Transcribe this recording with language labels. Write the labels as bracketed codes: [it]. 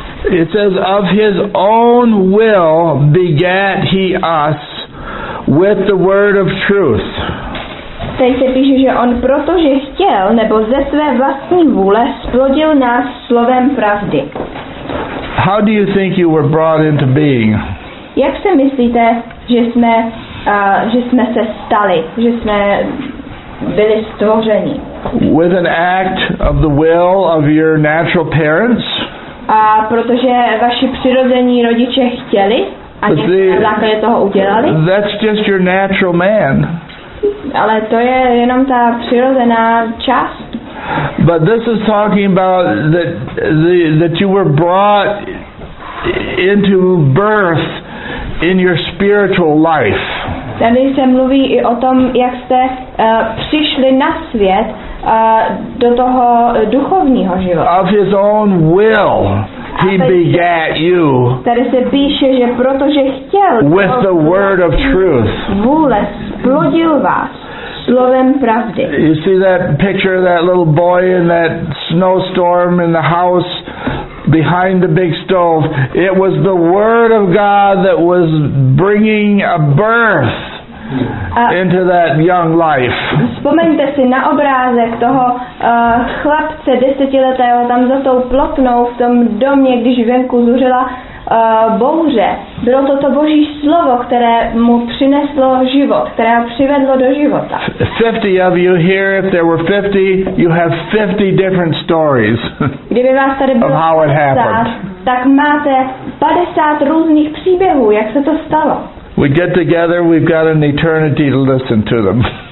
[en] It says, of his own will begat he us with the word of truth. [cs] Tady se píše, že on protože chtěl, nebo ze své vlastní vůle, splodil nás slovem pravdy. [en] How do you think you were brought into being? [cs] Jak si myslíte, že jsme se stali, že jsme byli stvořeni? [en] With an act of the will of your natural parents? [cs] A protože vaši přirození rodiče chtěli a někde na základě toho udělali? [en] That's just your natural man. [cs] Ale to je jenom ta přirozená část. [en] But this is talking about that you were brought into birth in your spiritual life. [cs] Tady se mluví i o tom, jak jste přišli na svět do toho duchovního života. [en] Of his own will he begat you. [cs] Tady se píše, že protože chtěl. [en] With the word of truth. [cs] Vůle splodil vás slovem pravdy. [en] You see that picture of that little boy in that snowstorm in the house behind the big stove? It was the word of God that was bringing a birth into that young life. [cs] Vzpomeňte si na obrázek toho chlapce desetiletého tam za tou plotnou v tom domě, když venku zuřila bouře. Bylo to to Boží slovo, které mu přineslo život, které ho přivedlo do života. 50 of you here, if there were 50, you have 50 different stories. Kdyby vás tady bylo 50, tak máte 50 různých příběhů, jak se to stalo. [en] We get together, we've got an eternity to listen to them.